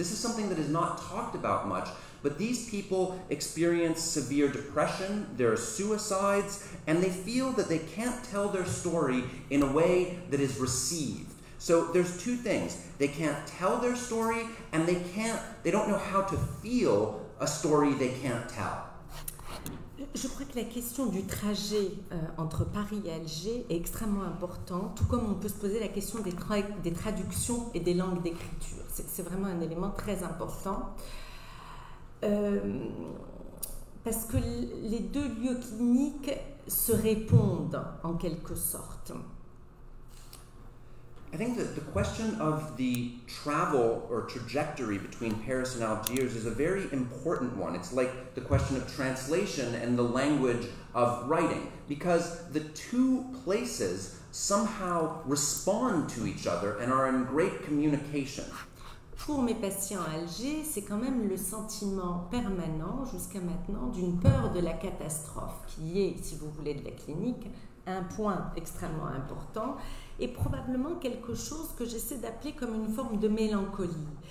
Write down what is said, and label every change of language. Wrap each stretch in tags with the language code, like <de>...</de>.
<en>This is something that is not talked about much, but these people experience severe depression, there are suicides, and they feel that they can't tell their story in a way that is received. So there's 2 things. They can't tell their story, and they don't know how to feel a story they can't tell.</en> <fr>Je crois que la question du trajet entre Paris et Alger est extrêmement importante, tout comme on peut se poser la question des traductions et des langues d'écriture. C'est vraiment un élément très important. Parce que les 2 lieux cliniques se répondent en quelque sorte.</fr> <en>I think that the question of the travel or trajectory between Paris and Algiers is a very important one. It's like the question of translation and the language of writing. because the two places somehow respond to each other and are in great communication.</en> <fr>Pour mes patients à Alger, c'est quand même le sentiment permanent jusqu'à maintenant d'une peur de la catastrophe qui est, si vous voulez, de la clinique, un point extrêmement important et probablement quelque chose que j'essaie d'appeler comme une forme de mélancolie.</fr>